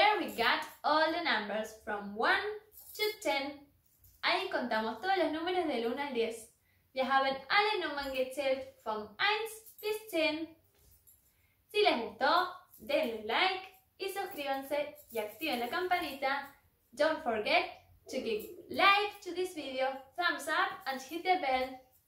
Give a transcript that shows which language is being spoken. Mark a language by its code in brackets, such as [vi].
[en] There we got all the numbers from 1 to 10. [es] Ahí contamos todos los números del 1 al 10. [de] Wir haben alle Nummern gezählt [en] from [de] 1 bis 10. [es] Si les gustó, denle like. Y suscríbanse y activen la campanita. [en] Don't forget to give like to this video, thumbs up and hit the bell.